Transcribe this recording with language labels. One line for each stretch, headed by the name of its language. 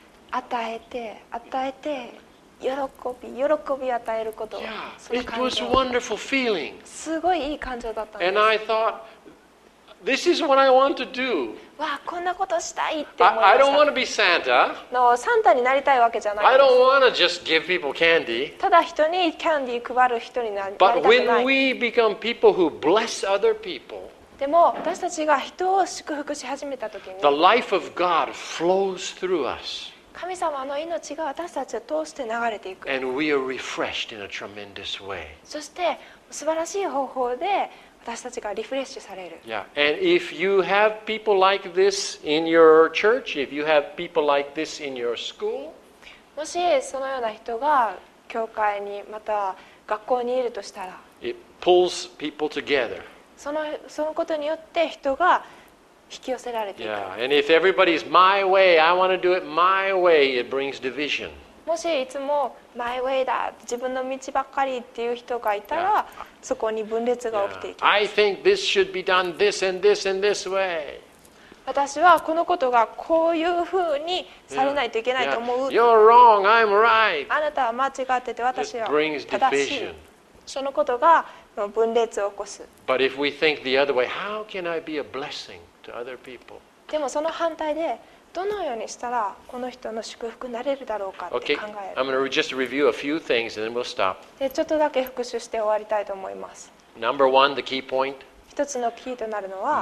Japanese: 与えて与えて喜び喜び与えること。
English: Yeah, it was a wonderful feeling.
Japanese: すごいいい感情だったんです。
English: And I thought. This is what I want to do.
Japanese: わあ、こんなことしたいって思いました。
English: I don't want to be Santa.
Japanese: No, サンタになりたいわけじゃない。
English: I don't want to just give people candy.
Japanese: ただ人にキャンディー配る人になりたくない。
English: But when we become people who bless other people,
Japanese: でも私たちが人を祝福し始めたときに、
English: the life of God flows through us.
Japanese: 神様の命が私たちを通して流れていく。
English: And we are refreshed in a tremendous way.
Japanese: そして素晴らしい方法で。私たちがリフレッシュされる。
English: Yeah. And if you have people like this in your church, if you have people like this in your school,
Japanese: もしそのような人が教会にまた学校にいるとしたら、
English: it pulls people together.
Japanese: そのことによって人が引き寄せられていく。
English: Yeah. And if everybody's my way, I want to do it my way, it brings division.
Japanese: もしいつもマイウェイだ自分の道ばっかりっていう人がいたら、yeah. そこに分裂が起きていきます、
English: yeah. I think this should be done this and this and this way.
Japanese: 私はこのことがこういうふうにされないといけないと思う、
English: yeah. You're wrong, I'm right.
Japanese: あなたは間違ってて私は正しい。そのことが分裂を起こす。
English: But if we think the other way, how can I be a blessing to other people?
Japanese: でもその反対でどのようにしたらこの人の祝福になれるだろうかって考える。
English: Okay. I'm going to just review a few things and then we'll stop.
Japanese: で、ちょっとだけ復習して終わりたいと思います。
English: Number one, the key point.
Japanese: 一つのキーとなるのは、